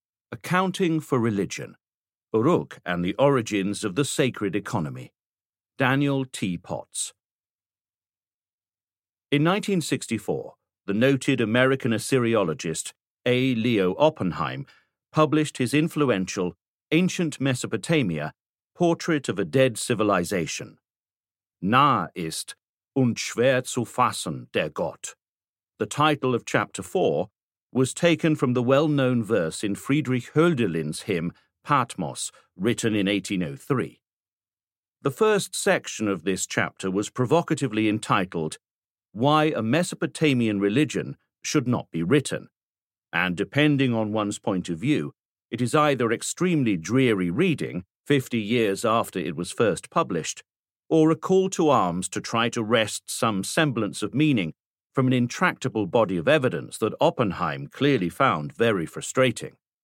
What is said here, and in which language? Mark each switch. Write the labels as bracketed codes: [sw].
[en] Accounting for Religion, Uruk and the Origins of the Sacred Economy, Daniel T. Potts. In 1964, the noted American Assyriologist A. Leo Oppenheim published his influential Ancient Mesopotamia, Portrait of a Dead Civilization. [de] Nah ist und schwer zu fassen der Gott. [en] The title of Chapter 4 was taken from the well-known verse in Friedrich Hölderlin's hymn Patmos, written in 1803. The first section of this chapter was provocatively entitled Why a Mesopotamian Religion Should Not Be Written, and depending on one's point of view, it is either extremely dreary reading 50 years after it was first published, or a call to arms to try to wrest some semblance of meaning from an intractable body of evidence that Oppenheim clearly found very frustrating.